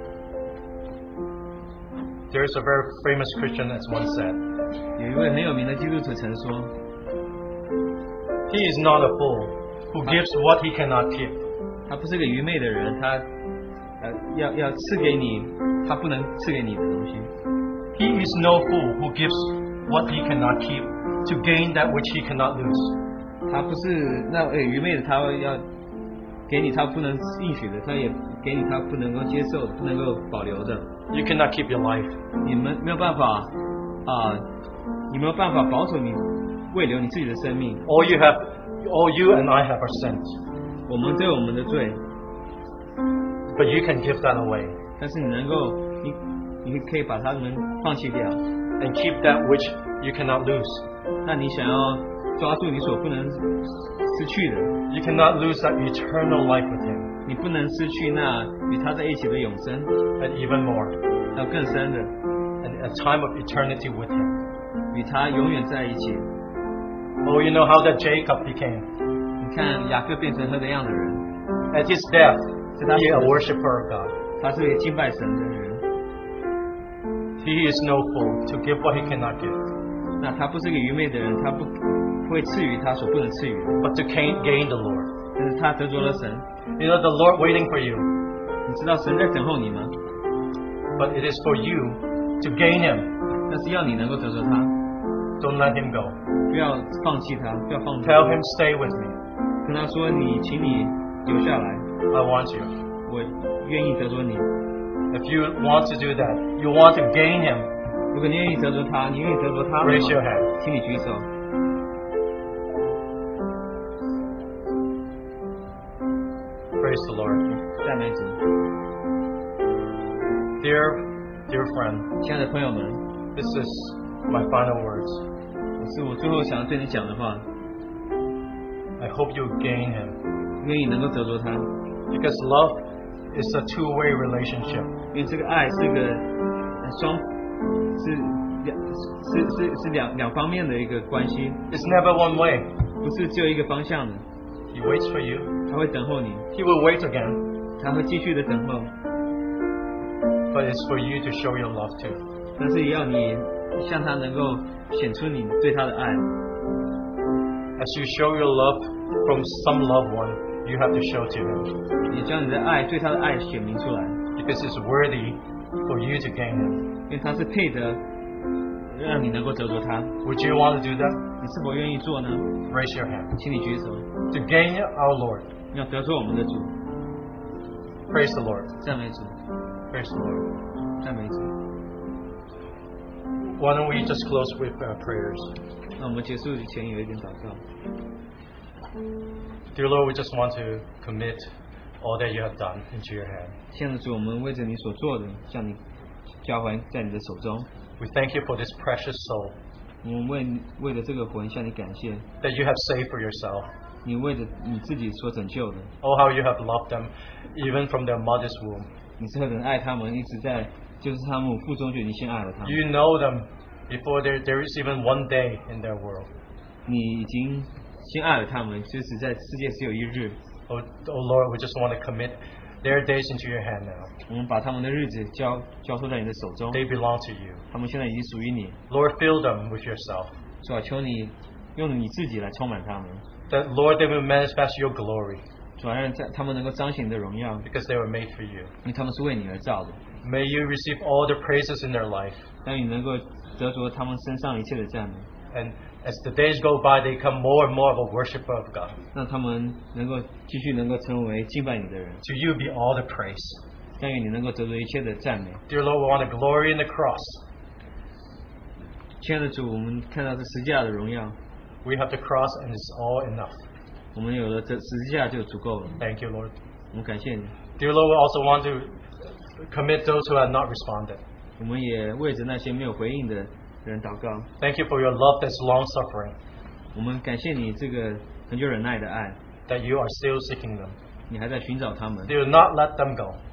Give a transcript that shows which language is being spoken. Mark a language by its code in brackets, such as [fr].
[en] There is a very famous Christian that once said, [zh] 有一位很有名的基督徒曾说, [en] he is not a fool who gives what he cannot keep. [zh] 他不是个愚昧的人, 他要赐给你他不能赐给你的东西。 [en] He is no fool who gives what he cannot keep to gain that which he cannot lose. [zh] 他不是那愚昧的, 他要给你他不能应许的, 他也给你他不能够接受不能够保留的。 [en] You cannot keep your life. [zh] 你没有办法, 你没有办法保守你未留你自己的生命。 [en] All you and I have are sins. [zh] 我们都有我们的罪。 [en] But you can give that away. [zh] 但是你能够, 你可以把它们放弃掉。 [en] And keep that which you cannot lose. [zh] 那你想要抓住你所不能失去的。 [en] You cannot lose that eternal life with Him. [zh] 你不能失去那与他在一起的永生。 [en] And even more. [zh] 还有更深的, [en] and a time of eternity with Him. [zh] 与他永远在一起。 [en] Oh, you know how that Jacob became. [zh] 你看雅各变成他的样的人。 [en] At his death, he a worshipper of God. [zh] 他是一个敬拜神的人。 [en] He is no fool to give what he cannot give. [zh] 那他不是个愚昧的人, 他不会赐予他所不能赐予的。 [en] But to gain the Lord. [zh] 但是他得着了神。 [en] You know the Lord waiting for you. [zh] 你知道神在等候你吗? [en] But it is for you to gain Him. [zh] 那是要你能够得着他。 [en] Don't let Him go. [zh] 不要放弃他, 不要放弃他。 [en] Tell Him stay with me. [zh] 跟他说你, 请你留下来。 [en] I want you. [zh] 我愿意得着你。 [en] If you want to do that, you want to gain Him. [zh] 如果你愿意得着他, 你愿意得着他吗? [en] Raise your hand. [zh] 请你举手。 [en] Praise the Lord. [zh] 赞美主。 [en] Dear friend, [zh] 亲爱的朋友们, [en] this is my final words. [zh] 是我最后想对你讲的话。 [en] I hope you gain Him. [zh] 愿意能够得着他。 [en] Because love is a two-way relationship. [zh] 因为这个爱是两方面的一个关系。 [en] It's never one way. [zh] 不是只有一个方向的。 [en] He waits for you. [zh] 他会等候你。 [en] He will wait again. [zh] 他会继续的等候。 [en] But it's for you to show your love to. [zh] 但是要你向他能够显出你对他的爱。 [en] As you show your love from some loved one, you have to show to him. [zh] 你将你的爱对他的爱显明出来。 [en] Because it's worthy for you to gain him. [zh] 因为他是配得让你能够得着他。 [en] Would you want to do that? [zh] 你是否愿意做呢? [en] Raise your hand. [zh] 请你举手。 [en] To gain our Lord. [zh] 要得着我们的主。 [en] Praise the Lord. [zh] 赞美主。 [en] Praise the Lord. Why don't we just close with our prayers? Dear Lord, we just want to commit all that you have done into your hand. [zh] 现在主我们为着你所做的, 向你, [en] we thank you for this precious soul. [zh] 我们为了这个魂向你感谢, [en] that you have saved for yourself. [zh] 你为着你自己所拯救的, [en] oh, how you have loved them even from their mother's womb. [zh] 你是很爱他们, 一直在, 就是他们腹中就已经先爱了他们。 [en] You know them before there is even one day in their world. [zh] 你已经先爱了他们, 就是在世界只有一日。 [en] Oh Lord, we just want to commit their days into your hand now. [zh] 我们把他们的日子交, 交托在你的手中。 [en] They belong to you. [zh] 他们现在已经属于你。 [en] Lord, fill them with yourself. [zh] 主啊, 求你用你自己来充满他们。 [en] That Lord, they will manifest your glory. [zh] 主啊,让他们能够彰显你的荣耀, [en] because they were made for you. [zh] 因为他们是为你而造的。 [en] May you receive all the praises in their life. [zh] 让你能够得着他们身上一切的赞美。 [en] And as the days go by, they become more and more of a worshipper of God. [zh] 让他们能够继续能够成为敬拜你的人。 [en] To you be all the praise. [zh] 让你能够得着一切的赞美。 [en] Dear Lord, we want the glory in the cross. [zh] 亲爱的主,我们看到这十字架的荣耀。 [en] We have the cross and it's all enough. [zh] 我们有了这十字架就足够了。 [en] Thank you, Lord. Dear Lord, we also want to commit those who have not responded. Thank you for your love that's long suffering. That you are still seeking them. Do not let them go.